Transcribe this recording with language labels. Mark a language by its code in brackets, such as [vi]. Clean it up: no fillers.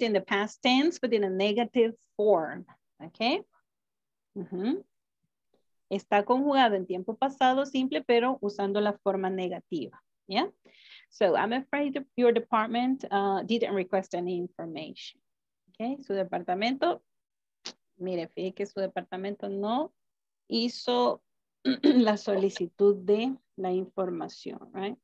[en] In the past tense, but in a negative form, okay? Mm-hmm. [es] Está conjugado en tiempo pasado simple, pero usando la forma negativa, yeah? [en] So I'm afraid your department didn't request any information, okay? [es] Su departamento, mire, fíjate que su departamento no hizo la solicitud de la información, right?